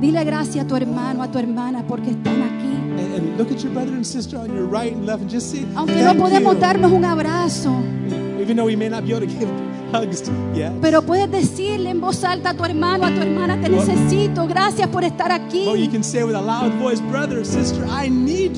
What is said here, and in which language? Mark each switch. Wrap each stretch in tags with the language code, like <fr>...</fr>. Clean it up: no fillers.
<es>Dile gracias a tu hermano, a tu hermana, porque están aquí.</es> <en>And look at your brother and sister on your right and left and just say,</en> <es>aunque no podemos darnos un abrazo.</es> <en>Even though we may not be able to give hugs to, yes.</en> <es>Pero puedes decirle en voz alta a tu hermano, a tu hermana, te necesito, gracias por estar aquí.</es> <en>Or you can say with a loud voice, brother, sister, I need you.</en>